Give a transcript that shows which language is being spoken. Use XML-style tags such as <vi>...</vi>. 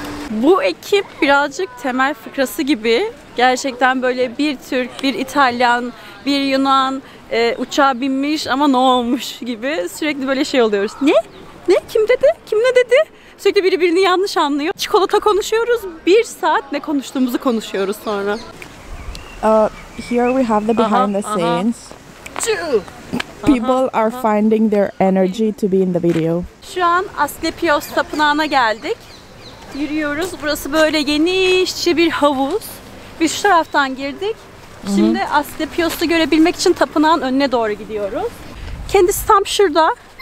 <tr>Bu ekip birazcık Temel fıkrası gibi. Gerçekten böyle bir Türk, bir İtalyan, bir Yunan uçağa binmiş ama ne olmuş gibi sürekli böyle şey oluyoruz. Ne? Ne? Kim dedi? Kim ne dedi? Sürekli biri birini yanlış anlıyor. Çikolata konuşuyoruz. Bir saat ne konuştuğumuzu konuşuyoruz sonra.</tr> <en>Here we have the behind the scenes. People are finding their energy to be in the video.</en> <tr>Şu an Asklepios Tapınağı'na geldik. Yürüyoruz. Burası böyle genişçe bir havuz. Biz şu taraftan girdik. Şimdi Asklepios'u görebilmek için tapınağın önüne doğru gidiyoruz. Kendisi tam şurada.</tr>